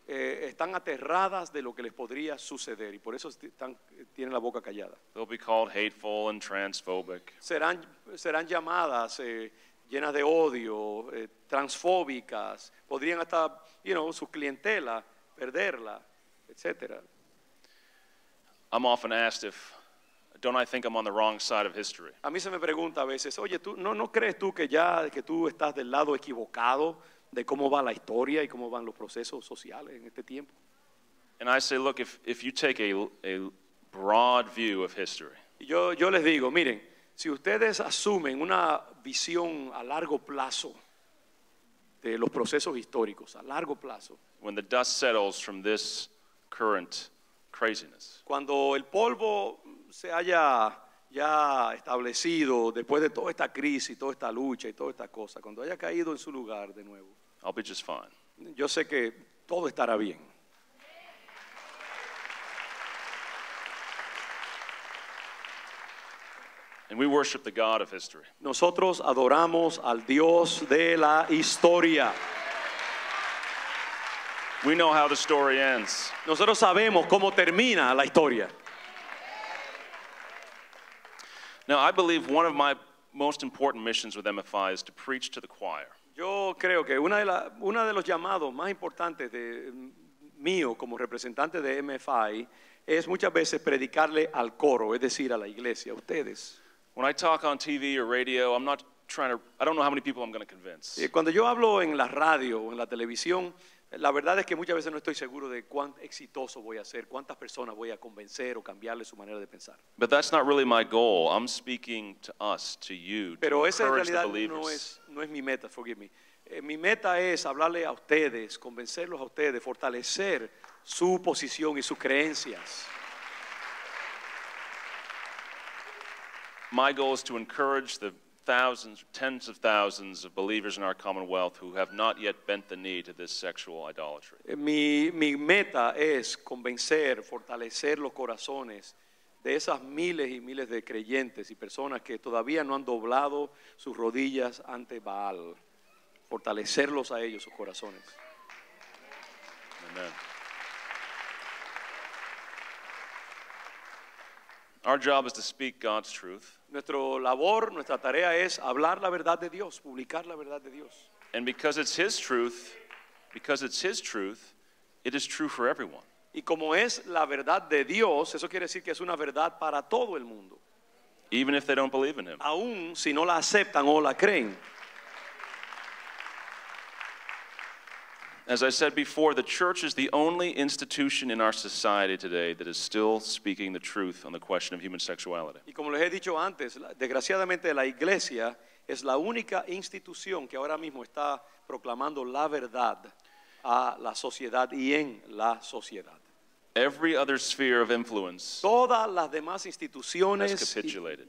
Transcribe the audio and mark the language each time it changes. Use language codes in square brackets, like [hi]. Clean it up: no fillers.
[es] Están aterradas de lo que les podría suceder y por eso tienen la boca callada. [en] They'll be called hateful and transphobic. [es] Serán llamadas llenas de odio, transfóbicas, podrían hasta, su clientela, perderla, etc. [en] I'm often asked if, don't I think I'm on the wrong side of history? [es] A mí se me pregunta a veces, oye, tú, ¿no crees tú que tú estás del lado equivocado de cómo va la historia y cómo van los procesos sociales en este tiempo? [en] And I say, look, if you take a broad view of history. [es] Yo les digo, miren, si ustedes asumen una visión a largo plazo de los procesos históricos, a largo plazo. [en] When the dust settles from this current craziness. [es] Cuando el polvo se haya ya establecido después de toda esta crisis, toda esta lucha y toda esta cosa, cuando haya caído en su lugar de nuevo. [en] I'll be just fine. [es] Yo sé que todo estará bien. [en] And we worship the God of history. [es] Nosotros adoramos al Dios de la historia. [en] We know how the story ends. [es] Nosotros sabemos cómo termina la historia. [en] Now, I believe one of my most important missions with MFI is to preach to the choir. [es] Yo creo que una de los llamados más importantes de mío como representante de MFI es muchas veces predicarle al coro, es decir, a la iglesia, a ustedes. [en] When I talk on TV or radio, I don't know how many people I'm going to convince. [es] Cuando yo hablo en la radio o en la televisión, la verdad es que muchas veces no estoy seguro de cuán exitoso voy a ser, cuántas personas voy a convencer o cambiarle su manera de pensar. [en] But that's not really my goal. I'm speaking to us, to you, [es] pero [en] to encourage the believers. [es] Pero esa en realidad no es mi meta, [en] forgive me. [es] Mi meta es hablarle a ustedes, convencerlos a ustedes, fortalecer su posición y sus creencias. [en] My goal is to encourage the thousands, tens of thousands of believers in our commonwealth who have not yet bent the knee to this sexual idolatry. [es] Mi meta es convencer, fortalecer los corazones de esas miles y miles de creyentes y personas que todavía no han doblado sus rodillas ante Baal. Fortalecerlos a ellos, sus corazones. [en] Amen. Our job is to speak God's truth. [es] Nuestro labor, nuestra tarea es hablar la verdad de Dios, publicar la verdad de Dios. [en] And because it's his truth, it is true for everyone. [es] Y como es la verdad de Dios, eso quiere decir que es una verdad para todo el mundo. [en] even if they don't believe in him. [es] Aún si no la aceptan o la creen. [en] As I said before, the church is the only institution in our society today that is still speaking the truth on the question of human sexuality. [es] Y como les he dicho antes, desgraciadamente la iglesia es la única institución que ahora mismo está proclamando la verdad a la sociedad y en la sociedad. [en] Every other sphere of influence. [es] Todas las demás instituciones [en] has capitulated.